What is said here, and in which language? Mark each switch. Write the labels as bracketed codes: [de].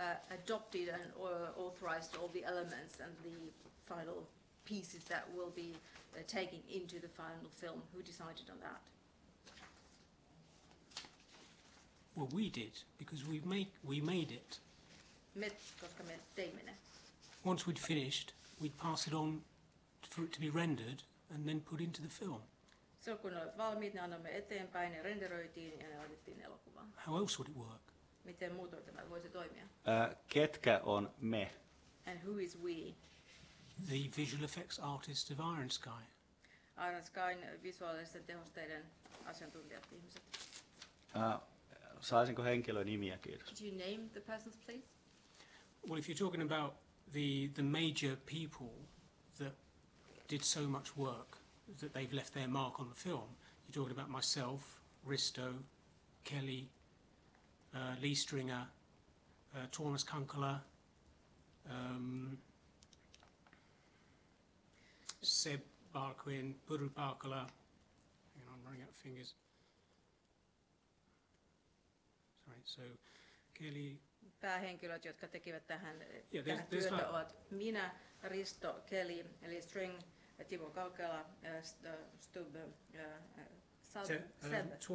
[en] Adopted and authorized all the elements and the final pieces that will be taken into the final film. Who decided on that? Well, we did, because we made it. [fi] Me, koska me teimme ne. [en] Once we'd finished, we'd pass it on for it to be rendered and then put into the film. [fi] So kun olet valmiit, ne annamme eteenpäin, ne renderoitiin ja ne laitettiin elokuvaan. [en] How else would it work? [fi] Miten muuten tämä voisi toimia? Ketkä on me? [en] And who is we? The visual effects artist of Iron Sky. [fi] Iron Skyn visuaalisten tehosteiden asiantuntijat ihmiset. Saisinko henkilön nimiä, kiitos? [en] Could you name the persons, please? Well, if you're talking about the major people that did so much work that they've left their mark on the film, you're talking about myself, Risto, Kelly, Lee Stringer, Thomas Kunkeler, Seb Barquin, Buru Barkala. Hang on, I'm running out of fingers. Sorry, so Kelly. [fi] Päähenkilöt, jotka tekivät tähän, tähän työtä, ovat minä, Risto, Kelly, eli String, Timo Kaukela, Stubb, Seb.